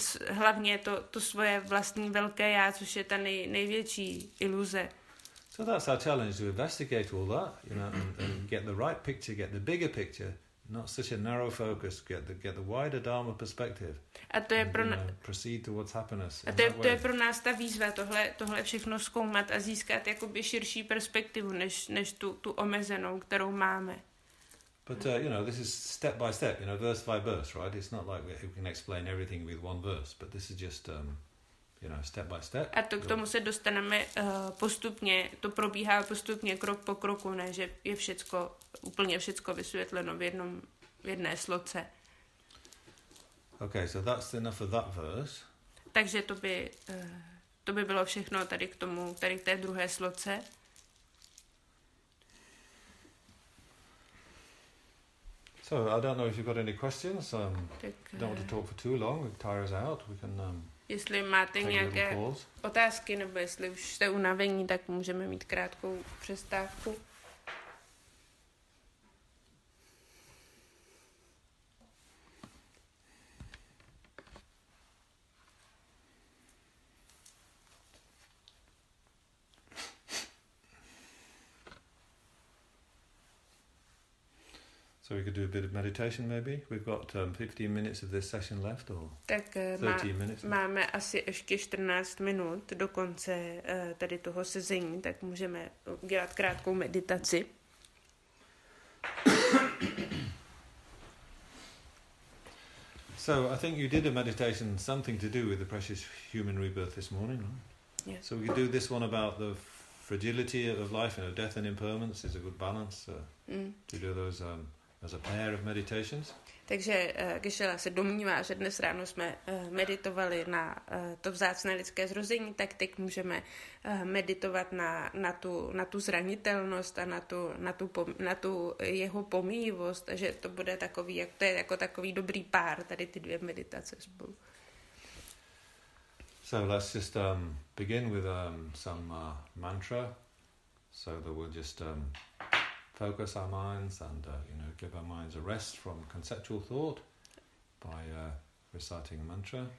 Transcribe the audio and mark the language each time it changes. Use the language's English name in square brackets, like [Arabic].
[Czech] Hlavně to svoje vlastní velké já, což je ta největší iluze. [English] So that's our challenge, to investigate all that, you know, and get the right picture, get the bigger picture. Not such a narrow focus, get the wider dharma perspective. [Czech] A to je pro [English] proceed towards happiness. [Czech] A to je pro nás ta výzva tohle všechno zkoumat a získat jakoby širší perspektivu než tu omezenou, kterou máme. [English] But you know, this is step by step, you know, verse by verse, right? It's not like we can explain everything with one verse, but this is just you know, step by step. [Czech] A to k tomu se dostaneme postupně, to probíhá postupně krok po kroku, ne, že je všecko úplně všecko vysvětleno v jedné sloce. [English] Okay, so that's enough of that verse. [Czech] Takže to by bylo všechno tady k tomu, tady k té druhé sloce. [English] So, I don't know if you've got any questions. Don't want to talk for too long, it tires out. We can [Czech] Jestli máte nějaké otázky, nebo jestli už jste unavení, tak můžeme mít krátkou přestávku. [English] So we could do a bit of meditation maybe. We've got 15 minutes of this session left or 13 minutes. [Czech] Máme asi ještě 14 minut do konce tady toho sezení, tak můžeme dělat krátkou meditaci. [English] So I think you did a meditation, something to do with the precious human rebirth this morning, right? Yeah. So we could do this one about the fragility of life, you know, death and impermanence is a good balance. To do those as a pair of meditations. [Czech] Takže Geshe-la se domnívá, že dnes ráno jsme meditovali na to vzácné lidské zrození, tak teď můžeme meditovat na tu zranitelnost a na tu jeho pomíjivost, že to bude takový, jak to je jako takový dobrý pár tady ty dvě meditace spolu. [English] So let's just begin with some mantra, so that we'll just focus our minds and you know, give our minds a rest from conceptual thought by reciting a mantra.